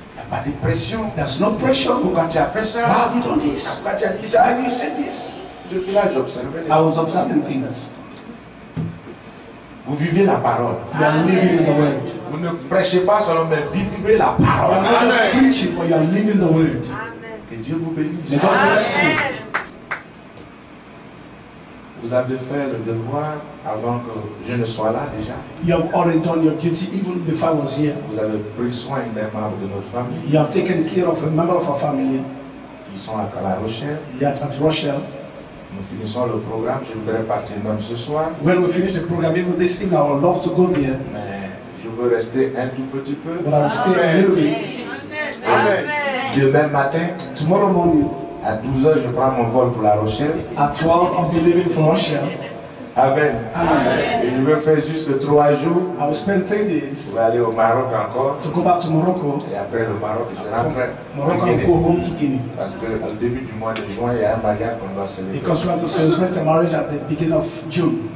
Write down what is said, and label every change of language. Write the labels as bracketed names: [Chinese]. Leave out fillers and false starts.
[French] Pas de pression. [English] There's no pression. [French] Ou quand tu as fait ça. [English] Why have you done this? [French] Quand tu as dit ça. [English] Why have you said this? [French] Je suis là, j'observe. [English] I was observing things. [French] Vous vivez la parole. [English] You are living the word. [French] Vous ne prêchez pas seulement, mais vivez la parole. [English] You are not just preaching, but you are living the word. Amen. [French] Que Dieu vous bénisse. Amen. Vous Vous avez fait le devoir avant que je ne sois là déjà. [English] You have already done your duty even before I was here. [French] Vous avez pris soin d'un membre de notre famille. [English] You have taken care of a member of our family. [French] Ils sont à La Rochelle. [English] They are at Rochelle. [French] Nous finissons le programme. Je voudrais partir même ce soir. [English] When we finish the program, even this evening, I would love to go there. [French] Mais je veux rester un tout petit peu. [English] But I'll stay a little bit. Amen. Amen. [French] Demain matin. [English] Tomorrow morning. [French] À 12h, je prends mon vol pour La Rochelle. [English] At 12, I'll be leaving for Rochelle. Amen. Amen. [French] Et je vais faire juste 3 jours. [English] I will spend 3 days. [French] Pour aller au Maroc encore. [English] To go back to Morocco. [French] Et après le Maroc, je rentre. [English] Morocco, go home to Guinea. [French] Parce que au début du mois de juin, il y a un mariage qu'on doit célébrer. [English] Because we have to celebrate a marriage at the beginning of June.